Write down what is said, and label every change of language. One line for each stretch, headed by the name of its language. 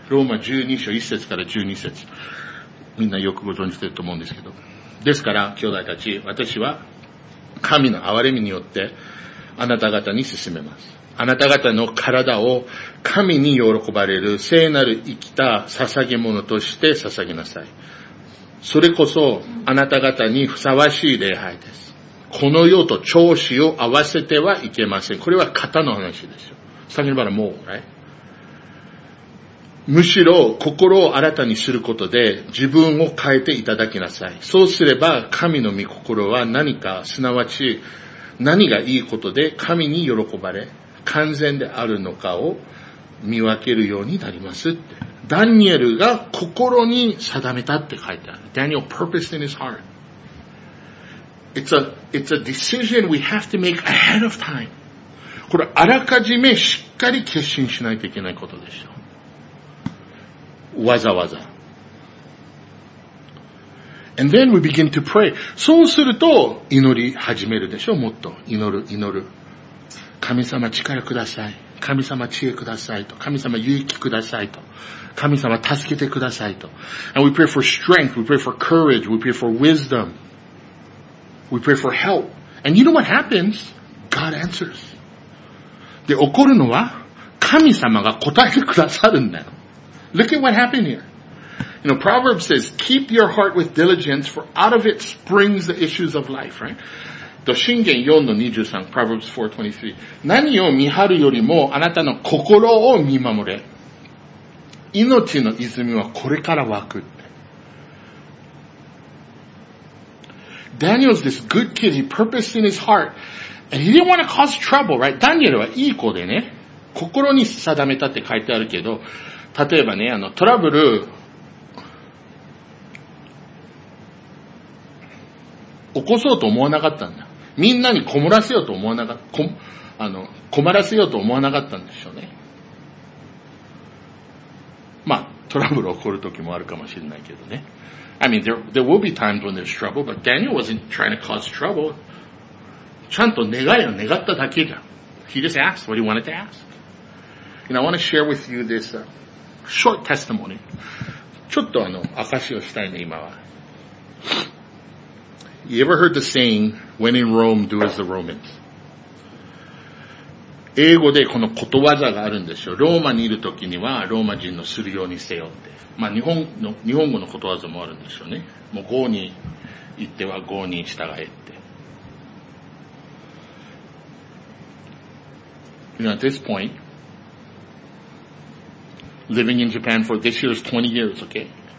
Japanese: Roma 12章1節から12節。みんなよくご存知だと思うんですけど。ですから、兄弟たち、私は神の憐れみによって、あなた方に進めます。あなた方の体を神に喜ばれる聖なる生きた捧げ物として捧げなさい。それこそあなた方にふさわしい礼拝です。この世と調子を合わせてはいけません。これは型の話ですよ。先ほどからもう、right? むしろ心を新たにすることで自分を変えていただきなさい。そうすれば神の御心は何か、すなわち何がいいことで神に喜ばれ完全であるのかを見分けるようになりますって。ダニエルが心に定めたって書いてある。
English: Daniel purposed in his heart. It's a decision we have to make ahead of time.
Japanese: これあらかじめしっかり決心しないといけないことでしょう。わざわざ。
English: And then we begin to pray.
Japanese: そうすると祈り始めるでしょ。もっと祈る祈る。神様力ください。神様知恵くださいと。神様勇気くださいと。神様助けてくださいと。
English: And we pray for strength, we pray for courage, we pray for wisdom. We pray for help. And you know what happens? God answers.
Japanese: で、起こるのは神様が答えてくださるんだよ。
English: Look at what happened here. You know, Proverbs says, keep your heart with diligence, for out of it springs the issues of life, right?
Japanese: と、箴言 4-23, Proverbs 4-23. 何を見張るよりも、あなたの心を見守れ。命の泉はこれから湧く。
English: Daniel's this good kid, he purposed in his heart, and he didn't want to cause trouble, right?
Japanese: Daniel はいい子でね、心に定めたって書いてあるけど、例えばね、トラブル、起こそうと思わなかったんだ。みんなに困らせようと思わなかった、困らせようと思わなかったんでしょうね。まあ、トラブル起こる時もあるかもしれないけどね。
English: I mean, there will be times when there's trouble, but Daniel wasn't trying to cause trouble.
Japanese: ちゃんと願いを願っただけじゃん。
English: He just asked what he wanted to ask. And I want to share with you this, short testimony.
Japanese: ちょっと証をしたいね、今は。
English: You ever heard the saying, when in Rome, do as the Romans?
Japanese: 英語でこのことわざがあるんですよ。ローマにいるときにはローマ人のするようにせよって。まあ日本語のことわざもあるんですよね。もう郷に行っては郷に従えって。
English: You know, at this point, living in Japan for this year is 20 years, okay?